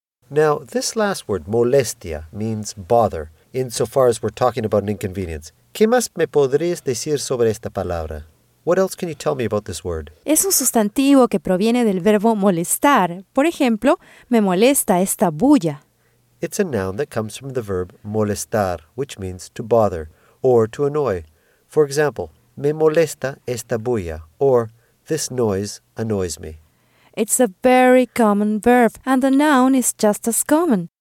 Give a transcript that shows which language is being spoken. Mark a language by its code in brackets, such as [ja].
[en] Now, this last word, molestia, means bother, insofar as we're talking about an inconvenience. [es] ¿Qué más me podrías decir sobre esta palabra? [en] What else can you tell me about this word? [es] Es un sustantivo que proviene del verbo molestar. Por ejemplo, me molesta esta bulla. [en] It's a noun that comes from the verb molestar, which means to bother or to annoy. For example, [es] me molesta esta bulla, [en] or this noise annoys me. It's a very common verb, and the noun is just as common.